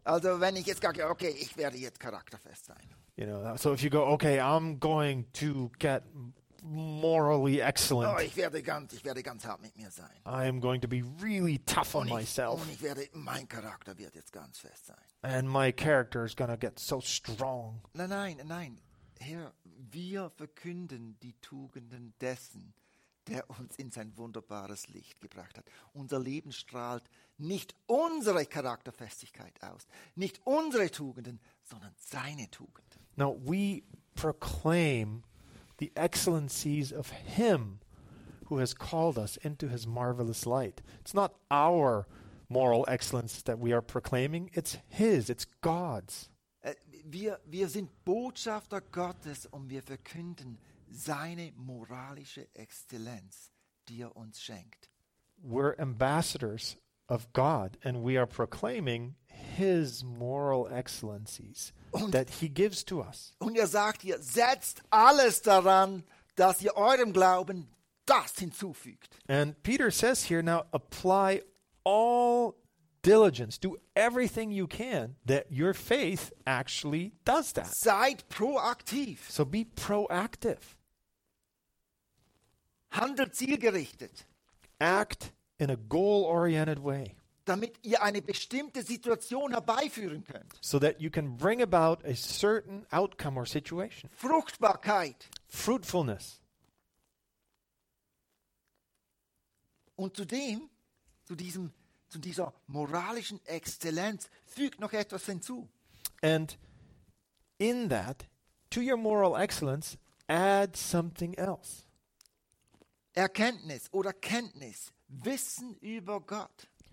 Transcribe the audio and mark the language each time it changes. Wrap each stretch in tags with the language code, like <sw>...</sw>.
<de>Also, wenn ich jetzt sage, okay, ich werde jetzt charakterfest sein.</de> <en>You know, so if you go, okay, I'm going to get morally excellent.</en> <de>Oh, ich werde ganz hart mit mir sein.</de> <en>I am going to be really tough on myself.</en> <de>Und ich werde, mein Charakter wird jetzt ganz fest sein.</de> <en>And my character is going to get so strong.</en> <de>Nein. Herr, wir verkünden die Tugenden dessen, der uns in sein wunderbares Licht gebracht hat. Unser Leben strahlt nicht unsere Charakterfestigkeit aus, nicht unsere Tugenden, sondern seine Tugenden.</de> <en>Now we proclaim the excellencies of him who has called us into his marvelous light. It's not our moral excellence that we are proclaiming, it's his, it's God's.</en> <de>Wir sind Botschafter Gottes und wir verkünden seine moralische Exzellenz, die er uns schenkt.</de> <en>We're ambassadors of God and we are proclaiming his moral excellencies</en> <de>und</de> <en>that he gives to us.</en> <de>Und er sagt hier, setzt alles daran, dass ihr eurem Glauben das hinzufügt.</de> <en>And Peter says here, now apply all diligence, do everything you can that your faith actually does that.</en> <de>Seid proaktiv.</de> <en>So be proactive.</en> <de>Handel zielgerichtet.</de> <en>Act in a goal-oriented way.</en> <de>Damit ihr eine bestimmte Situation herbeiführen könnt.</de> <en>So that you can bring about a certain outcome or situation.</en> <de>Fruchtbarkeit.</de> <en>Fruitfulness.</en> <de>Und zudem, zu dieser moralischen Exzellenz fügt noch etwas hinzu.</de> <en>And in that, to your moral excellence, add something else.</en> <de>Erkenntnis oder Kenntnis, Wissen über Gott.</de>